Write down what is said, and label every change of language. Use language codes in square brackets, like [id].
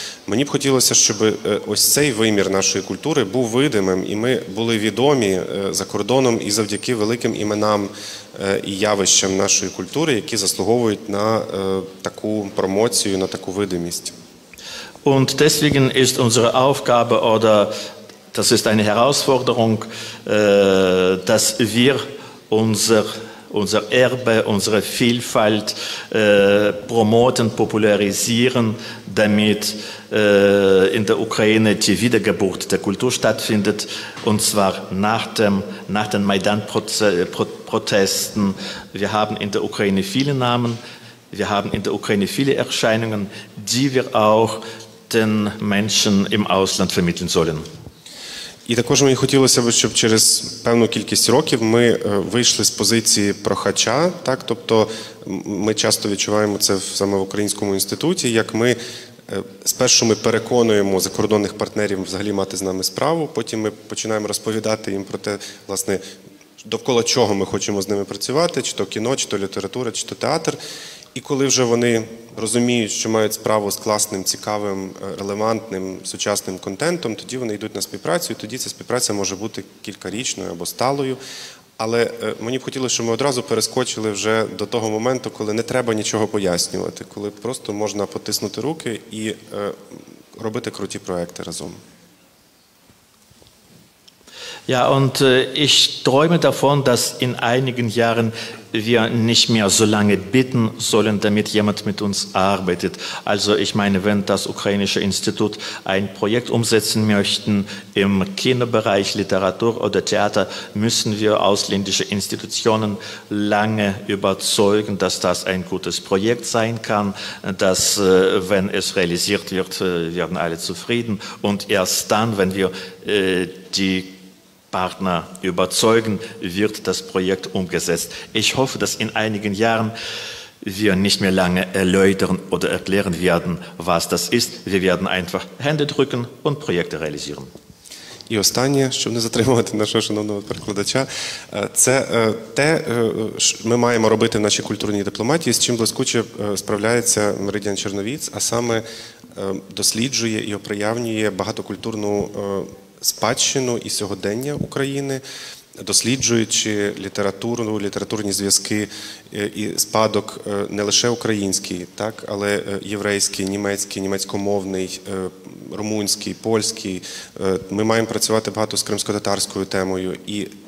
[uk] Мені б хотілося, щоб ось цей вимір нашої культури був видимим, і ми були відомі за кордоном і завдяки великим іменам і явищам нашої культури, які заслуговують на таку промоцію, на таку видимість. [de] Und deswegen ist unsere Aufgabe oder das ist eine Herausforderung, dass wir unser Erbe, unsere Vielfalt promoten, popularisieren, damit in der Ukraine die Wiedergeburt der Kultur stattfindet, und zwar nach den Maidan-Protesten. Wir haben in der Ukraine viele Namen, wir haben in der Ukraine viele Erscheinungen, die wir auch den Menschen im Ausland vermitteln sollen. [uk] І також мені хотілося б, щоб через певну кількість років ми вийшли з позиції прохача, так, тобто ми часто відчуваємо це саме в Українському інституті, як ми спершу ми переконуємо закордонних партнерів взагалі мати з нами справу, потім ми починаємо розповідати їм про те, власне, довкола чого ми хочемо з ними працювати, чи то кіно, чи то література, чи то театр. І коли вже вони розуміють, що мають справу з класним, цікавим, релевантним, сучасним контентом, тоді вони йдуть на співпрацю, і тоді ця співпраця може бути кількарічною або сталою. Але мені б хотілося, щоб ми одразу перескочили вже до того моменту, коли не треба нічого пояснювати, коли просто можна потиснути руки і робити круті проекти разом. [de] Ja, und ich träume davon, dass in einigen Jahren wir nicht mehr so lange bitten sollen, damit jemand mit uns arbeitet. Also ich meine, wenn das ukrainische Institut ein Projekt umsetzen möchte im Kinobereich, Literatur oder Theater, müssen wir ausländische Institutionen lange überzeugen, dass das ein gutes Projekt sein kann, dass wenn es realisiert wird, werden alle zufrieden. Und erst dann, wenn wir die Partner überzeugen, wird das Projekt umgesetzt. Ich hoffe, dass in einigen Jahren wir nicht mehr lange erläutern oder erklären werden, was das ist. Wir werden einfach Hände drücken und Projekte realisieren. [uk] І останнє, щоб не затримувати нашого шановного перекладача, це те, що ми маємо робити в нашій культурній дипломатії, з чим блискуче справляється Меридіан Черновіць, а саме досліджує і оприявнює багатокультурну спадщину і сьогодення України, досліджуючи літературу, літературні зв'язки і спадок не лише український, так, але єврейський, німецький, німецькомовний, румунський, польський. Ми маємо працювати багато з кримсько-татарською темою. І